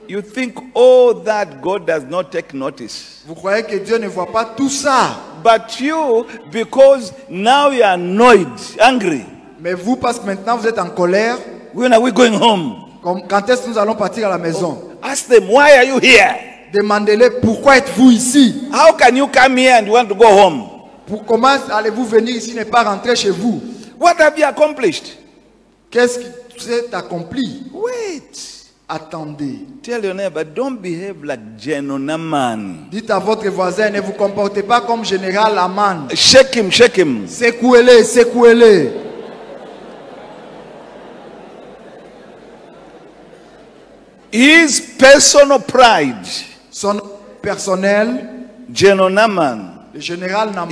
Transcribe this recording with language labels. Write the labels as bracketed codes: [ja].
[en] You think all that God does not take notice. [fr] Vous croyez que Dieu ne voit pas tout ça. [en] But you, because now you are annoyed, angry. [fr] Mais vous, parce que maintenant vous êtes en colère. [en] When are we going home? [fr] Quand est-ce que nous allons partir à la maison? [en] Oh, ask them, why are you here? [fr] Demandez-les, pourquoi êtes-vous ici? [en] How can you come here and want to go home? [fr] Pour comment allez-vous venir ici n'est pas rentrer chez vous? [en] What have you accomplished? [fr] Qu'est-ce que tu as accompli? [en] Wait. [fr] Attendez. [en] Tell your neighbor, don't behave like General Man. [fr] Dites à votre voisin, ne vous comportez pas comme Général Aman. [en] Shake him, shake him. [fr] Secouez-le, secouez-le. [en] His personal pride, [fr] son personnel, General Naman,